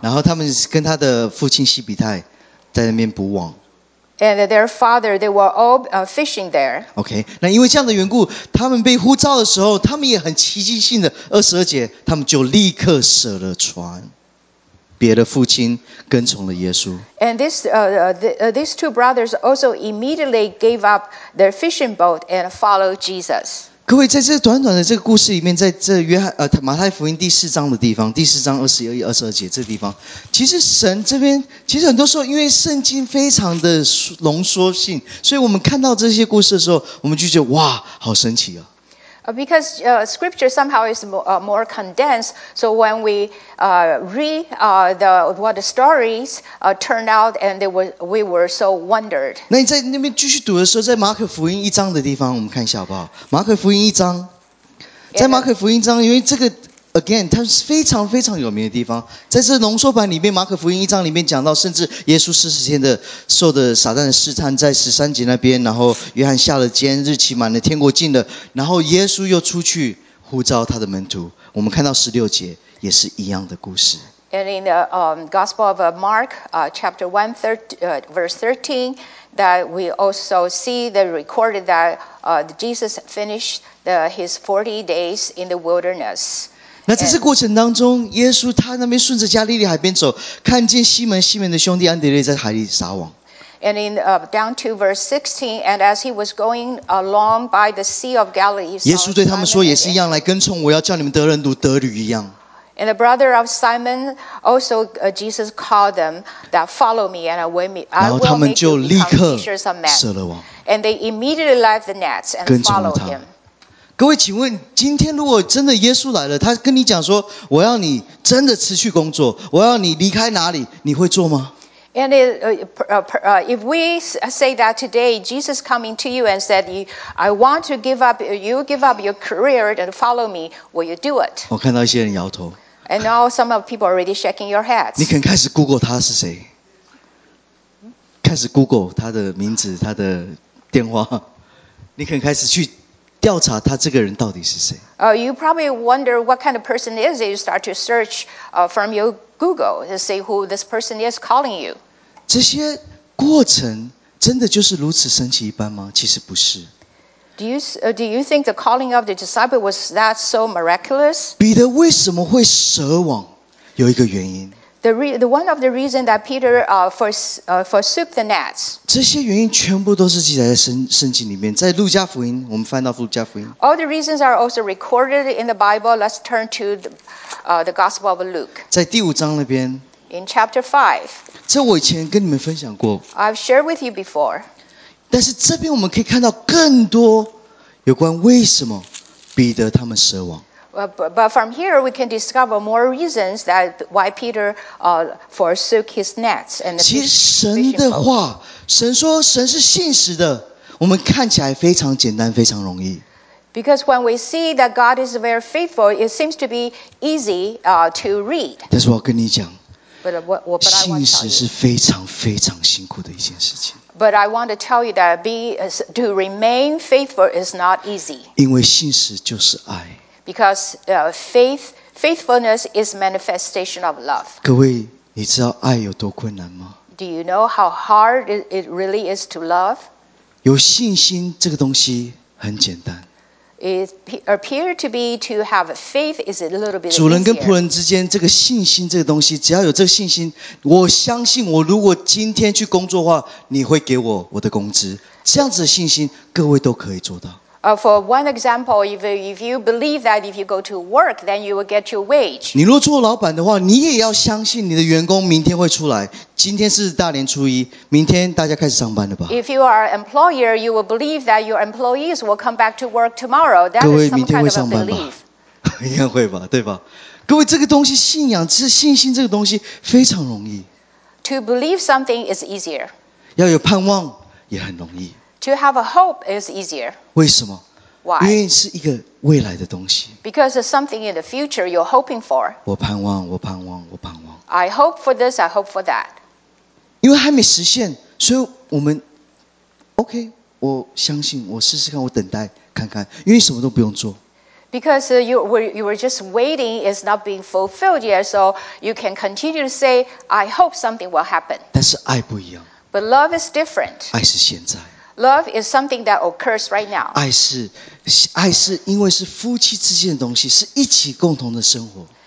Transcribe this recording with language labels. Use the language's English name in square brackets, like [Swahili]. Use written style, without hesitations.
[Chinese] 然后他们跟他的父亲希比泰 在那边捕网。 [English] And their father, they were all fishing there. Okay. [Chinese] 那因为这样的缘故, 他们被呼召的时候, 他们也很奇迹性的, 22节, 他们就立刻舍了船。别的父亲跟从了耶稣。 [English] And this, these two brothers also immediately gave up their fishing boat and followed Jesus. [Chinese] 各位在这短短的这个故事里面, 在马太福音第四章的地方, 第四章21、22节这地方, 其实神这边, 其实很多时候因为圣经非常的浓缩性, 所以我们看到这些故事的时候, 我们就觉得, 哇, 好神奇啊。 [English] Because scripture somehow is more condensed, so when we read the stories turned out, and we were so wondered. [Chinese] 那你在那边继续读的时候, 在马可福音一章的地方，我们看一下好不好？马可福音一章， 在马可福音一章， 因为这个 [English] again， [Chinese] 它是非常非常有名的地方， 在这浓缩版里面， 马可福音一章里面讲到， 甚至耶稣40天的受的撒旦的试探， 在13节那边， 然后约翰下了监， 日期满了， 天国近了， 然后耶稣又出去呼召他的门徒。我们看到16节， 也是一样的故事。 [English] And in the Gospel of Mark, chapter 1, verse 13, that we also see the recorded that Jesus finished his 40 days in the wilderness. [Chinese] 那在这过程当中， 耶稣他那边顺着加利利海边走， 看见西门， 西门的兄弟安德烈在海里撒网。 [English] And in down to verse 16, and as he was going along by the Sea of Galilee, [Chinese] 耶稣对他们说也是一样， 来跟从， 我要叫你们得人如 得驴一样。 [English] And the brother of Simon also, Jesus called them that follow me and I will make you fishers of men. And they immediately left the nets and followed him. [Chinese] 各位请问今天如果真的耶稣来了， 他跟你讲说， 我要你真的持续工作， 我要你离开哪里， 你会做吗？ [English] And if we say that today Jesus coming to you and said, I want to give up, you give up your career and follow me, will you do it? [Chinese] 我看到一些人摇头。 [English] And now some of people are already shaking your heads. [Chinese] 你肯开始Google他是谁？开始Google他的名字， 他的电话。你肯开始去调查他这个人到底是谁？ [English] You probably wonder what kind of person is it. You start to search from your Google to see who this person is calling you. [Chinese] 这些过程真的就是如此神奇一般吗？其实不是。 [English] Do you think the calling of the disciple was that so miraculous? [Chinese] 彼得为什么会舍网？有一个原因。 [English] The reason that Peter forsook the nets. [Chinese] 这些原因全部都是记载在圣经里面， 在路加福音， 我们翻到路加福音。 [English] All the reasons are also recorded in the Bible. Let's turn to the Gospel of Luke. [Chinese] 在第五章那边。 [English] In chapter 5. [Chinese] 这我以前跟你们分享过。 [English] I've shared with you before. [Chinese] 但是这边我们可以看到更多有关为什么彼得他们舍网。 [English] But from here, we can discover more reasons that why Peter forsook his nets and the fishing boat. [Chinese] 其实神的话， 神说神是信实的， 我们看起来非常简单，非常容易。 [English] Because when we see that God is very faithful, it seems to be easy to read. [Chinese] 但是我要跟你讲， [English] but [Chinese] 信实是非常非常辛苦的一件事情。 [English] But I want to tell you that to remain faithful is not easy. [Chinese] 因为信实就是爱。 [English] Because faithfulness is manifestation of love. [Chinese] 各位，你知道爱有多困难吗？ [English] Do you know how hard it really is to love? [Chinese] 有信心这个东西很简单。 [English] It appears to be to have faith is a little bit [Chinese] 主人跟仆人之间， 这个信心这个东西， 只要有这个信心， 我相信我如果今天去工作的话， 你会给我我的工资。这样子的信心， 各位都可以做到。 [English] For one example, if you believe that if you go to work, then you will get your wage. [Chinese] 你若做老板的话， 你也要相信你的员工明天会出来。今天是大年初一， 明天大家开始上班了吧。 [English] If you are an employer, you will believe that your employees will come back to work tomorrow. That is some kind of a belief. [Chinese] 各位明天会上班吧？应该会吧，对吧？各位这个东西， 信仰， 信心这个东西， 非常容易。 [English] To believe something is easier. [Chinese] 要有盼望， 也很容易。 [English] To have a hope is easier. [Chinese] 为什么？ [English] Why? [Chinese] 因为是一个未来的东西。 [English] Because it's something in the future you're hoping for. [Chinese] 我盼望， 我盼望， 我盼望。 [English] I hope for this, I hope for that. [Chinese] 因为还没实现， 所以我们OK， 我相信，我试试看，我等待看看，因为什么都不用做。 [English] Because you were just waiting, it's not being fulfilled yet, so you can continue to say, I hope something will happen. [Chinese] 但是爱不一样。 [English] But love is different. [Chinese] 爱是现在。 [English] Love is something that occurs right now. [Chinese] 爱是因为是夫妻之间的东西，是一起共同的生活。